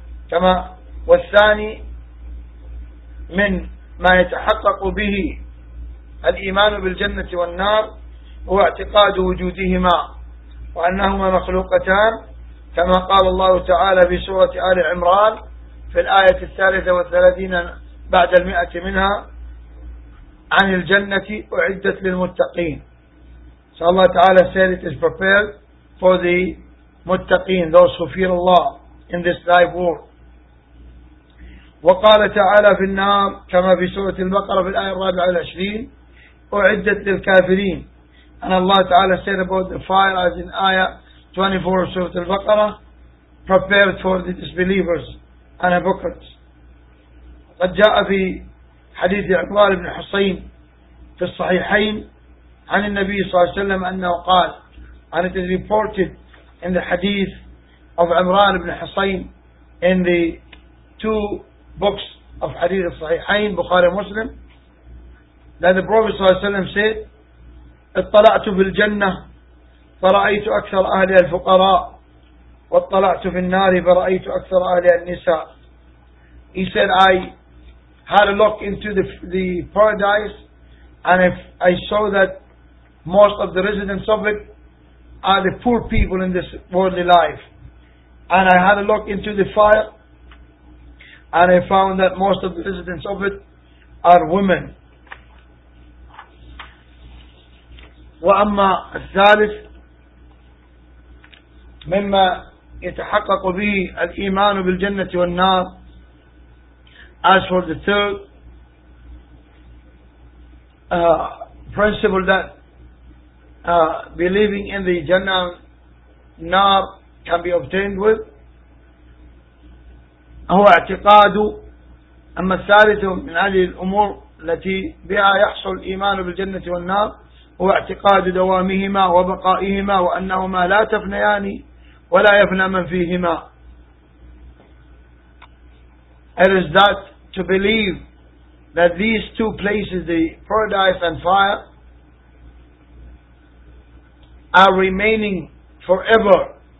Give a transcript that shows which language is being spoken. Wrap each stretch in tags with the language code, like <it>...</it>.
<ar>كَمَا وَالثَّانِي مِنْ مَا يَتَحَقَّقُ بِهِ الْإِيمَانُ بِالْجَنَّةِ وَالنَّارِ هُوَ اعْتِقَادُ وُجُودِهِمَا وَأَنَّهُمَا مَخْلُوقَتَانِ كما قال الله تعالى في سورة آل عمران في الآية 33 بعد 100 منها عن الجنة أعدت للمتقين.</ar> <en>So Allah Ta'ala said it is prepared for the متقين, those who fear Allah in this life world.</en> <ar>وقال تعالى في النار كما في سورة البقرة في الآية 24 أعدت للكافرين.</ar> <en>And Allah تعالى said about the fire as in Ayah 24 of سورة البقرة, prepared for the disbelievers and hypocrites.</en> <ar>قد جاء في حديث عقبال بن حصين في الصحيحين عن النبي صلى الله عليه وسلم أنه قال,</ar> <en>and it is reported in the hadith of عمران بن حصين in the two books of hadith al-Sahihain, Bukhari Muslim, that the Prophet صلى الله عليه وسلم said,</en> <ar>اطلعت في الجنة فرأيت أكثر أهل الفقراء واطلعت في النار فرأيت أكثر أهل النساء.</ar> <en>He said, I had a look into the paradise and if I saw that most of the residents of it are the poor people in this worldly life. And I had a look into the fire and I found that most of the residents of it are women.</en> <ar>وَأَمَّا الثَّالِثِ مِمَّا يَتَحَقَّقُ بِهِ الْإِيمَانُ بِالْجَنَّةِ وَالنَّارِ.</ar> <en>As for the third principle that believing in the Jannah Nar can be obtained with,</en> <ar>هو اعتقاد أما الثالث من هذه الأمور التي بها يحصل الإيمان بالجنة والنار هو اعتقاد دوامهما وبقائهما وأنهما لا تفنيان ولا يفنى من فيهما.</ar> <en>It is that to believe that these two places, the paradise and fire, are remaining forever.</en>